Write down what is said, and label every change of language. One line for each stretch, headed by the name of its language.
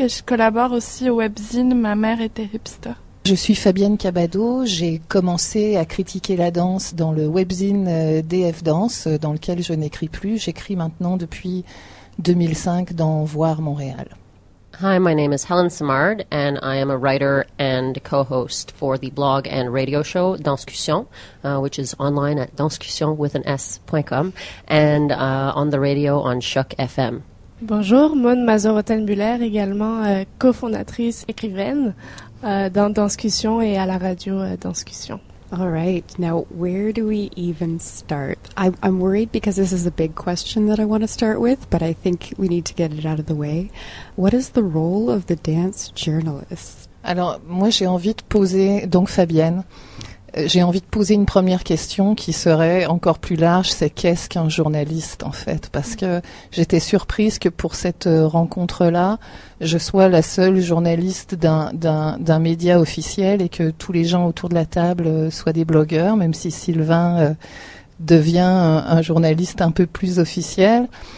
French: Et je collabore aussi au webzine Ma mère était hipster. Je suis Fabienne Cabado, j'ai commencé à critiquer la danse dans le webzine DF Danse, dans lequel je n'écris plus. J'écris maintenant depuis 2005 dans Voir Montréal.
English: Hi, my name is Helen Simard, and I am a writer and co-host for the blog and radio show Danscussion, which is online at danscussion.com, and on the radio on Shook FM.
French: Bonjour, Maud Mazorotel-Muller, également co-fondatrice écrivaine. Dans Danscussion et à la radio Danscussion.
English: All right. Now, where do we even start? I'm worried because this is a big question that I want to start with, but I think we need to get it out of the way. What is the role of the dance journalist?
French: Alors, moi, j'ai envie de poser, donc Fabienne, j'ai envie de poser une première question qui serait encore plus large, c'est qu'est-ce qu'un journaliste, en fait? Parce que j'étais surprise que pour cette rencontre-là, je sois la seule journaliste d'un média officiel et que tous les gens autour de la table soient des blogueurs, même si Sylvain devient un journaliste un peu plus officiel.